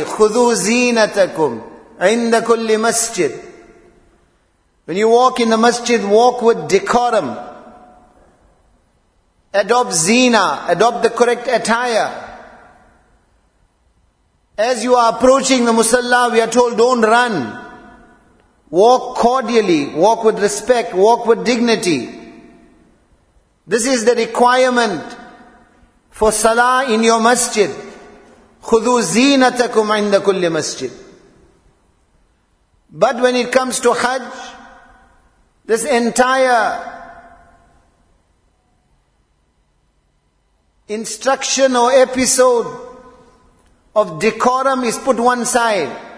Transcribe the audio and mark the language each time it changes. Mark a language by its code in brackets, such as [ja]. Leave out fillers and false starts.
[ar] خُذُوا زِينَتَكُمْ عِنْدَ كُلِّ masjid. [en] When you walk in the masjid, walk with decorum. Adopt zina, adopt the correct attire. As you are approaching the musalla, we are told don't run. Walk cordially, walk with respect, walk with dignity. This is the requirement for salah in your masjid. [ar] خُذُوا زِينَتَكُمْ عِنْدَ كُلِّ masjid. [en] But when it comes to Hajj, this entire instruction or episode of decorum is put one side.